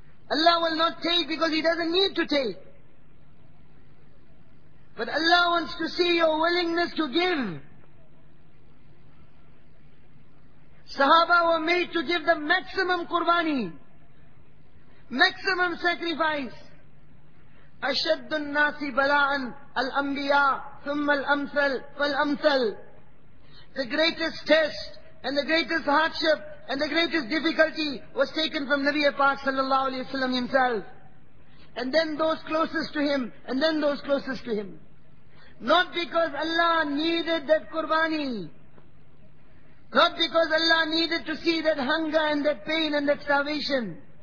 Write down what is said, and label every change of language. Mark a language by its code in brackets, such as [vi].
[en] Allah will not take because He doesn't need to take. But Allah wants to see your willingness to give. Sahaba were made to give the maximum qurbani, maximum sacrifice. [ar] أشد الناس بلاء الأنبياء ثم الأمثل فالأمثل. [en] The greatest test and the greatest hardship and the greatest difficulty was taken from Nabi Pak sallallahu alayhi wa sallam himself. And then those closest to him, and then those closest to him. Not because Allah needed that qurbani. Not because Allah needed to see that hunger and that pain and that starvation.